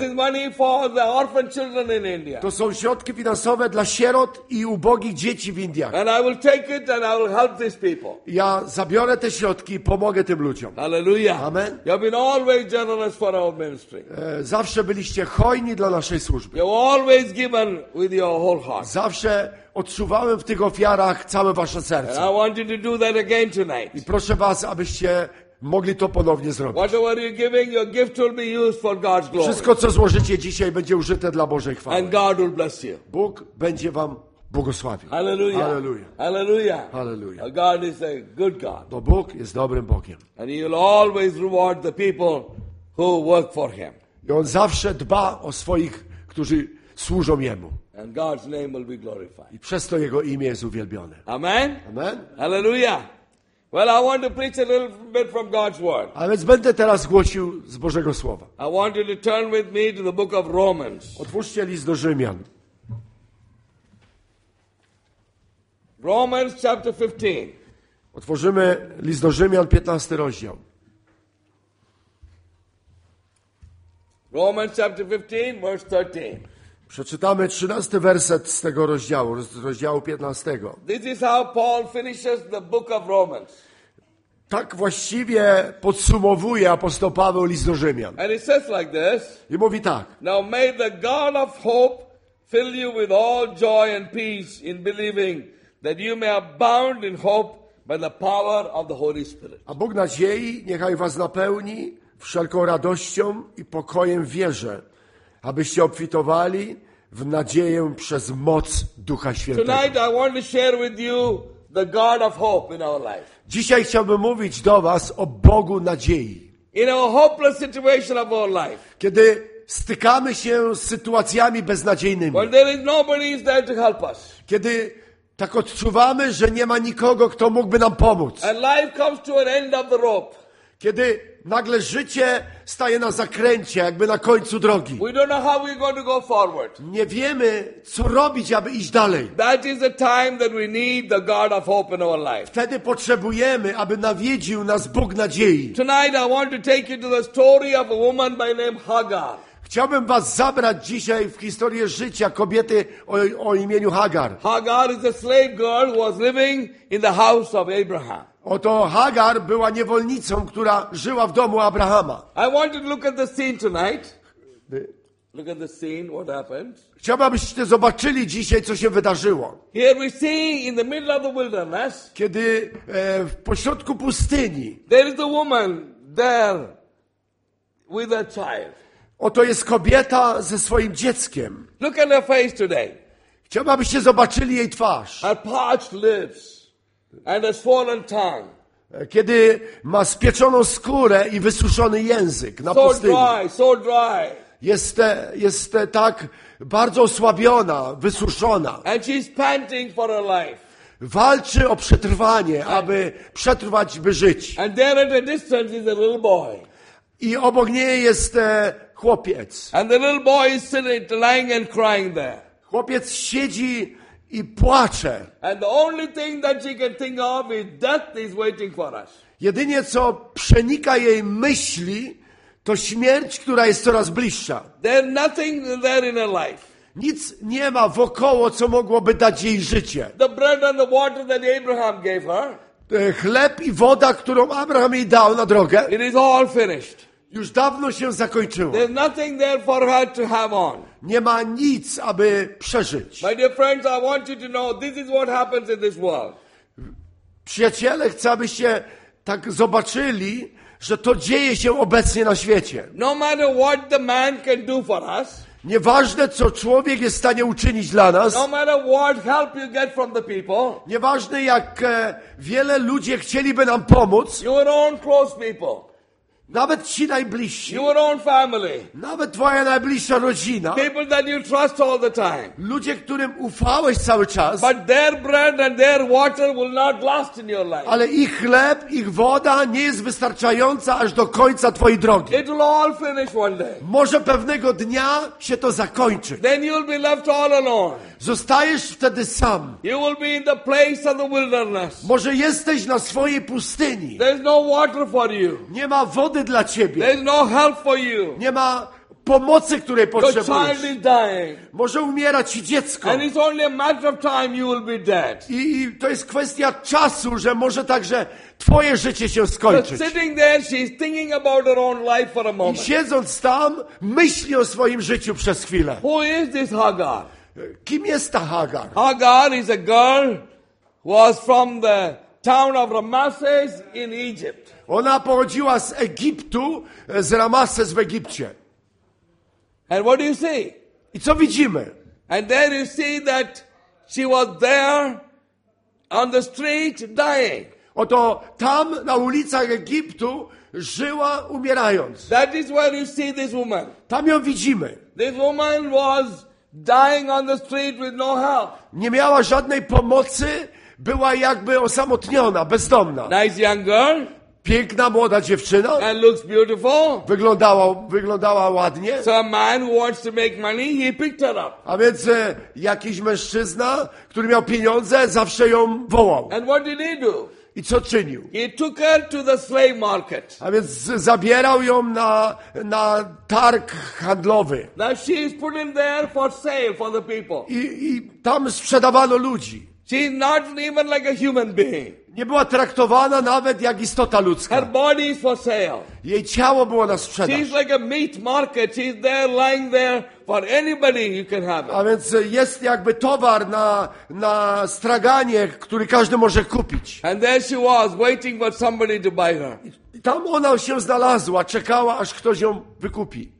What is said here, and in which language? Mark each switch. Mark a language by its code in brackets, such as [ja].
[en] This is money for the orphan children in India. [pl] To są środki finansowe dla sierot i ubogich dzieci w Indii. [en] And I will take it and I will help these people. [pl] Ja zabiorę te środki i pomogę tym ludziom. [en] Hallelujah. Amen. You have been always generous for our ministry. [pl] Zawsze byliście hojni dla naszej służby. [en] You have always given with your whole heart. [pl] Zawsze odczuwałem w tych ofiarach całe wasze serce. [en] And I want you to do that again tonight. [pl] I proszę was, abyście mogli to ponownie zrobić. [en] Whatever you're giving, your gift will be used for God's glory. [pl] Wszystko, co złożycie dzisiaj, będzie użyte dla Bożej chwały. [en] And God will bless you. [pl] Bóg będzie wam błogosławił. [en] Hallelujah. Hallelujah. Hallelujah. Hallelujah. God is a good God. [pl] Bo Bóg jest dobrym Bogiem. [en] And he will always reward the people who work for him. [pl] I on zawsze dba o swoich, którzy służą jemu. [en] And God's name will be glorified. [pl] I przez to jego imię jest uwielbione. [en] Amen. Amen. Hallelujah. Well, I want to preach a little bit from God's word. [pl] A więc będę teraz głosił z Bożego słowa. [en] I want you to turn with me to the book of Romans. [pl] Otwórzcie list do Rzymian. [en] Romans chapter 15. [pl] Otworzymy list do Rzymian, 15 rozdział. [en] Romans chapter 15, verse 13. [pl] Przeczytamy 13 werset z tego rozdziału, z rozdziału 15. [en] This is how Paul finishes the book of Romans. [pl] Tak właściwie podsumowuje apostoł Paweł list do Rzymian. [en] And he says like this. [pl] I mówi tak. [en] Now may the God of hope fill you with all joy and peace in believing, that you may abound in hope by the power of the Holy Spirit. [pl] A Bóg nadziei niechaj was napełni wszelką radością i pokojem w wierze, abyście obfitowali w nadzieję przez moc Ducha Świętego. [en] Tonight I want to share with you the God of hope in our life. [pl] Dzisiaj chciałbym mówić do was o Bogu nadziei. [en] In our hopeless situation of our life. [pl] Kiedy stykamy się z sytuacjami beznadziejnymi. [en] When there is nobody there to help us. [pl] Kiedy tak odczuwamy, że nie ma nikogo, kto mógłby nam pomóc. [en] And life comes to an end of the rope. [pl] Kiedy nagle życie staje na zakręcie, jakby na końcu drogi. [en] We don't know how we're going to go forward. [pl] Nie wiemy, co robić, aby iść dalej. [en] That is the time that we need the God of hope in our life. [pl] Wtedy potrzebujemy, aby nawiedził nas Bóg nadziei. [en] Tonight I want to take you to the story of a woman by name Hagar. [pl] Chciałbym was zabrać dzisiaj w historię życia kobiety o imieniu Hagar. [en] Hagar is a slave girl who was living in the house of Abraham. [pl] Oto Hagar była niewolnicą, która żyła w domu Abrahama. [en] I want you to look at the scene tonight. Look at the scene, what happened. [pl] Chciałbym, abyście zobaczyli dzisiaj, co się wydarzyło. [en] Here we see in the middle of the wilderness. [pl] Kiedy w pośrodku pustyni. [en] There is a woman there with a child. [pl] Oto jest kobieta ze swoim dzieckiem. [en] Look at her face today. [pl] Chciałbym, abyście zobaczyli jej twarz. [en] Her parched lips and a swollen tongue. [pl] Kiedy ma spieczoną skórę i wysuszony język na pustyni. [en] So dry, so dry. [pl] Jest tak bardzo osłabiona, wysuszona. [en] And she's panting for her life. [pl] Walczy o przetrwanie, aby przetrwać, by żyć. [en] And there at a distance is a little boy. [pl] I obok niej jest chłopiec. [en] And the little boy is sitting, lying and crying there. [pl] Chłopiec siedzi i płacze. [en] And the only thing that she can think of is death is waiting for us. [pl] Jedynie co przenika jej myśli, to śmierć, która jest coraz bliższa. [en] There's nothing there in her life. [pl] Nic nie ma wokoło, co mogłoby dać jej życie. [en] The bread and the water that Abraham gave her. [pl] Chleb i woda, którą Abraham jej dał na drogę. [en] It is all finished. [pl] Już dawno się zakończyło. [en] There's nothing there for her to have on. [pl] Nie ma nic, aby przeżyć. [en] My dear friends, I want you to know this is what happens in this world. [pl] Przyjaciele, chcę, abyście tak zobaczyli, że to dzieje się obecnie na świecie. [en] No matter what the man can do for us. [pl] Nieważne, co człowiek jest w stanie uczynić dla nas. [en] No matter what help you get from the people. [pl] Nieważne, jak wiele ludzi chcieliby nam pomóc. [en] Your own close people. [pl] Nawet ci najbliżsi. [en] Your own family. [pl] Nawet twoja najbliższa rodzina. [en] People that you trust all the time. [pl] Ludzie, którym ufałeś cały czas. [en] But their bread and their water will not last in your life. [pl] Ale ich chleb, ich woda nie jest wystarczająca aż do końca twojej drogi. [en] It will all finish one day. [pl] Może pewnego dnia się to zakończy. [en] Then you'll be left all alone. [pl] Zostajesz wtedy sam. [en] You will be in the place of the wilderness. [pl] Może jesteś na swojej pustyni. [en] There's no water for you. [pl] Nie ma wody. Dla ciebie. [en] There's no help for you. [pl] Nie ma pomocy, której potrzebujesz. [en] Your child is dying. [pl] Może umiera ci dziecko. [en] And it's only a matter of time you will be dead. [pl] I to jest kwestia czasu, że może także twoje życie się skończyć. [en] So sitting there, she's thinking about her own life for a moment. [pl] I siedząc tam, myśli o swoim życiu przez chwilę. [en] Who is this Hagar? [pl] Kim jest ta Hagar? [en] Hagar is a girl who was from the town of Ramesses in Egypt. [pl] Ona pochodziła z Egiptu, z Ramesses w Egipcie. [en] And what do you see? [pl] I co widzimy? [en] And there you see that she was there on the street dying. [pl] Oto tam na ulicach Egiptu żyła umierając. [en] That is where you see this woman. [pl] Tam ją widzimy. [en] This woman was dying on the street with no help. [pl] Nie miała żadnej pomocy, była jakby osamotniona, bezdomna. [en] Nice young girl. [pl] Piękna młoda dziewczyna. [en] And looks beautiful. [pl] Wyglądała ładnie. [en] So a man who wants to make money, he picked her up. [pl] A więc jakiś mężczyzna, który miał pieniądze, zawsze ją wołał. [en] And what did he do? [pl] I co czynił? [en] He took her to the slave market. [pl] A więc zabierał ją na targ handlowy. [en] Now she is put in there for sale for the people. [pl] I tam sprzedawano ludzi. [en] She's not even like a human being. [pl] Nie była traktowana nawet jak istota ludzka. [en] Her body is for sale. [pl] Jej ciało było na sprzedaż. [en] She's like a meat market. She's there, lying there for anybody you can have it. [pl] A więc jest jakby towar na straganie, który każdy może kupić. [en] And there she was, waiting for somebody to buy her. [pl] I tam ona się znalazła, czekała, aż ktoś ją wykupi.